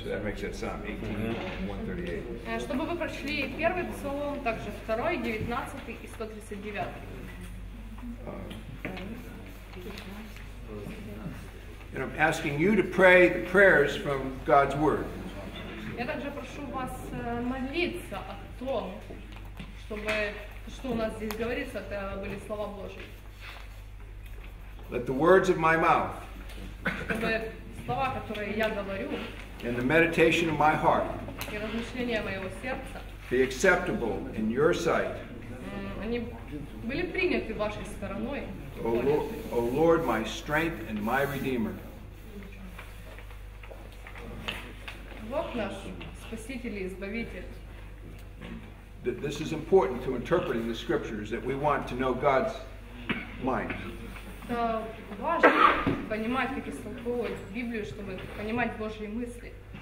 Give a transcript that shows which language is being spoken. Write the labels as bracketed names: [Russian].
[English] So that makes it Psalm 18 and 138. [Russian] Чтобы вы прочли первый псалом, также второй, 19 и 139. [English] And I'm asking you to pray the prayers from God's Word. [Russian] Я также прошу вас молиться о том, чтобы что у нас здесь говорится, это были слова Божьи. [English] Let the words of my mouth. [Russian] Слова, которые я говорю, [English] and the meditation of my heart [Russian] и размышления моего сердца, [English] be acceptable in your sight. [Russian] Они были приняты вашей стороной. [English] O Lord, my strength and my redeemer. [Russian] Бог наш спаситель и избавитель. [English] This is important to interpreting the scriptures, that we want to know God's mind. [Russian] Это важно понимать, как истолковывать Библию, чтобы понимать Божьи мысли.